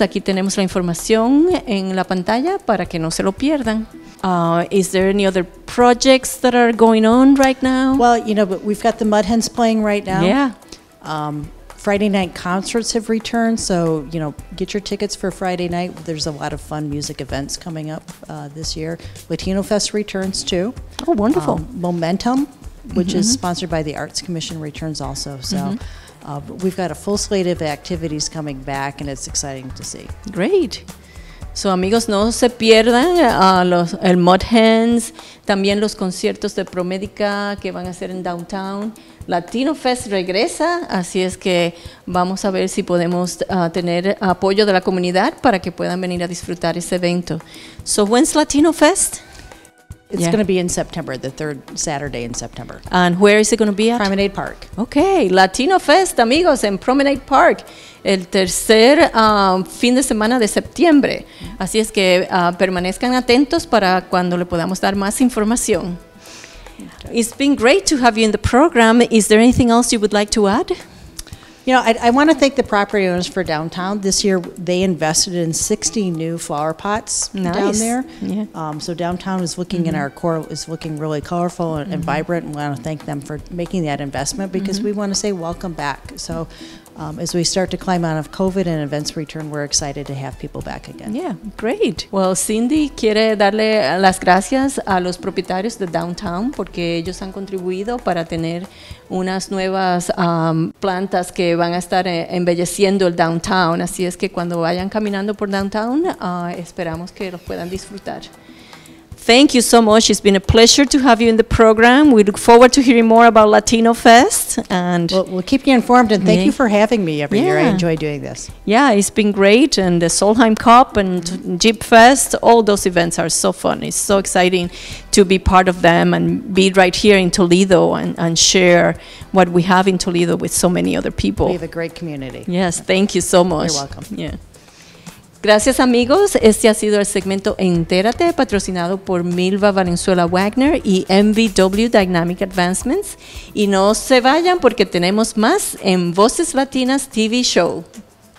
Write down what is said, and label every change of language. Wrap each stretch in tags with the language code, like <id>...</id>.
<es>Aquí tenemos la información en la pantalla para que no se lo pierdan.</es> <en>Is there any other projects that are going on right now? Well, you know, but we've got the Mud Hens playing right now. Yeah. Friday night concerts have returned. So, you know, get your tickets for Friday night. There's a lot of fun music events coming up this year. Latino Fest returns too. Oh, wonderful. Momentum, which is sponsored by the Arts Commission, returns also. So. Mm-hmm. But we've got a full slate of activities coming back, and it's exciting to see. Great.</en> <es>So, amigos, no se pierdan el Mud Hens, también los conciertos de Promedica que van a hacer en downtown. Latino Fest regresa, así es que vamos a ver si podemos tener apoyo de la comunidad para que puedan venir a disfrutar ese evento.</es> <en>So, when's Latino Fest? It's going to be in September, the third Saturday in September. And where is it going to be at? Promenade Park.</en> <es>Okay, Latino Fest, amigos, en Promenade Park, el tercer fin de semana de septiembre. Así es que permanezcan atentos para cuando le podamos dar más información.</es> <en>It's been great to have you in the program. Is there anything else you would like to add? You know, I want to thank the property owners for downtown. This year, they invested in 60 new flower pots down there. Yeah. So downtown is looking, in our core, is looking really colorful and vibrant. And we want to thank them for making that investment because we want to say welcome back. So As we start to climb out of COVID and events return, we're excited to have people back again. Yeah, great.</en> <es>Well, Cindy quiere darle las gracias a los propietarios de Downtown porque ellos han contribuido para tener unas nuevas plantas que van a estar embelleciendo el Downtown. Así es que cuando vayan caminando por Downtown, esperamos que los puedan disfrutar.</es> <en>Thank you so much. It's been a pleasure to have you in the program. We look forward to hearing more about Latino Fest. And we'll keep you informed, and thank you for having me every year. I enjoy doing this. Yeah, it's been great. And the Solheim Cup and Jeep Fest, all those events are so fun. It's so exciting to be part of them and be right here in Toledo and share what we have in Toledo with so many other people. We have a great community. Yes, thank you so much. You're welcome. Yeah.</en> <es>Gracias amigos, este ha sido el segmento Entérate, patrocinado por Milva Valenzuela Wagner y MVW Dynamic Advancements. Y no se vayan porque tenemos más en Voces Latinas TV Show.</es>